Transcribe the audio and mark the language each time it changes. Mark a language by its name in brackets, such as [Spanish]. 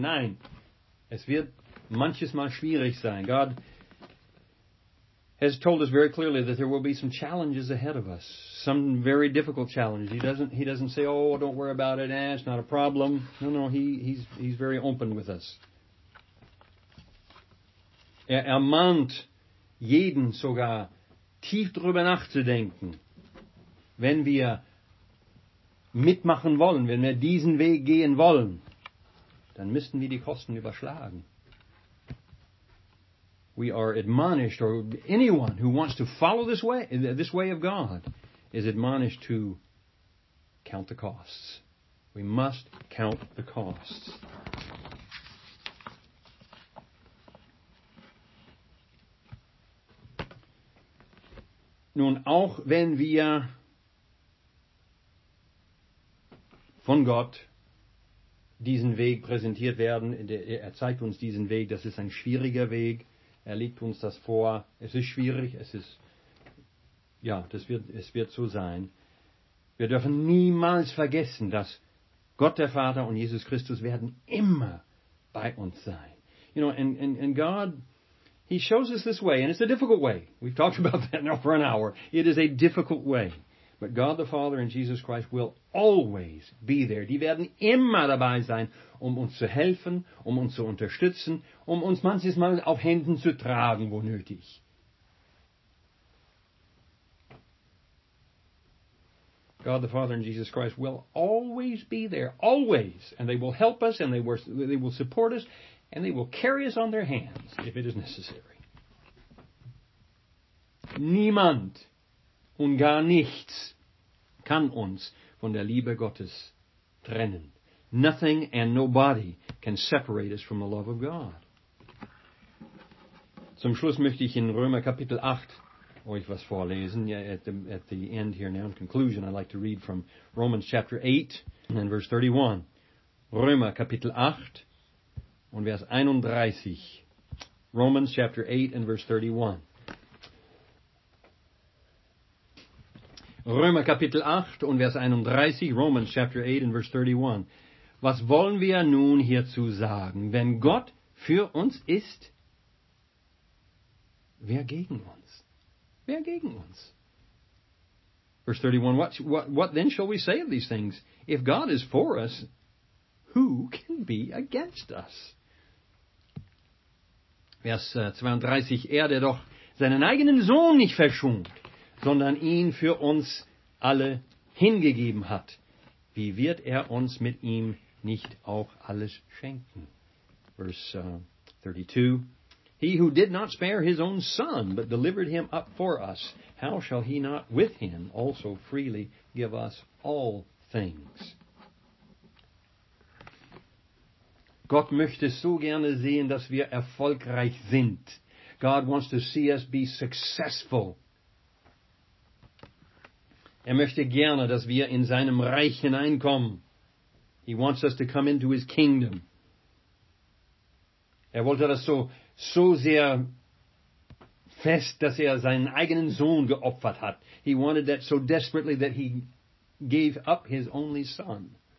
[German] Nein, es wird manches Mal schwierig sein. [English] God has told us very clearly that there will be some challenges ahead of us. Some very difficult challenges. He doesn't say, oh, don't worry about it, it's not a problem. No, no, he's very open with us. [German] Er ermahnt jeden sogar, tief drüber nachzudenken, wenn wir mitmachen wollen, wenn wir diesen Weg gehen wollen, dann müssten wir die Kosten überschlagen. [English] We are admonished, or anyone who wants to follow this way of God, is admonished to count the costs. We must count the costs. [German] Nun, auch wenn wir von Gott diesen Weg präsentiert werden, er zeigt uns diesen Weg, das ist ein schwieriger Weg, er legt uns das vor, es ist schwierig, es wird so sein. Wir dürfen niemals vergessen, dass Gott der Vater und Jesus Christus werden immer bei uns sein. [English] You know, and God, he shows us this way, and it's a difficult way. We've talked about that now for an hour. It is a difficult way. But God the Father and Jesus Christ will always be there. [German] Die werden immer dabei sein, um uns zu helfen, um uns zu unterstützen, um uns manches Mal auf Händen zu tragen, wo nötig. [English] God the Father and Jesus Christ will always be there, always. And they will help us, and they will support us, and they will carry us on their hands if it is necessary. [German] Niemand und gar nichts kann uns von der Liebe Gottes trennen. [English] Nothing and nobody can separate us from the love of God. [German] Zum Schluss möchte ich in Römer Kapitel 8 euch was vorlesen. [English] Yeah, at the end here now, in conclusion, I'd like to read from Romans chapter 8 and verse 31. [German] Römer Kapitel 8 und Vers 31. [English] Romans chapter 8 and verse 31. [German] Römer Kapitel 8 und Vers 31, [English] Romans chapter 8 and verse 31. [German] Was wollen wir nun hierzu sagen? Wenn Gott für uns ist, wer gegen uns? Wer gegen uns? [English] Verse 31, what then shall we say of these things? If God is for us, who can be against us? [German] Vers 32, er, der doch seinen eigenen Sohn nicht verschont, sondern ihn für uns alle hingegeben hat, wie wird er uns mit ihm nicht auch alles schenken? [English] Verse 32, he who did not spare his own son, but delivered him up for us, how shall he not with him also freely give us all things? [German] Gott möchte so gerne sehen, dass wir erfolgreich sind. [English] God wants to see us be successful. [German] Er möchte gerne, dass wir in seinem Reich hineinkommen. [English] He wants us to come into his kingdom. [German] Er wollte das so sehr fest, dass er seinen eigenen Sohn geopfert hat. [English] He wanted that so desperately that he gave up his only son.